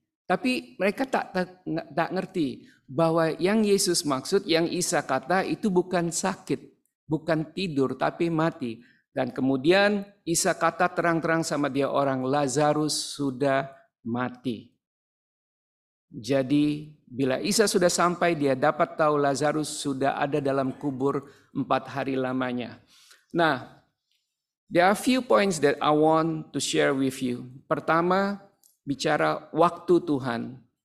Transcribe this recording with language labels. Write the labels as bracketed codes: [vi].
[id] Tapi mereka tak ngerti bahwa yang Yesus maksud, yang Isa kata itu bukan sakit, bukan tidur, tapi mati. Dan kemudian Isa kata terang-terang sama dia orang, Lazarus sudah mati. Jadi bila Isa sudah sampai, dia dapat tahu Lazarus sudah ada dalam kubur 4 hari lamanya. [en] Nah, there are few points that I want to share with you. [id] Pertama, bicara waktu Tuhan.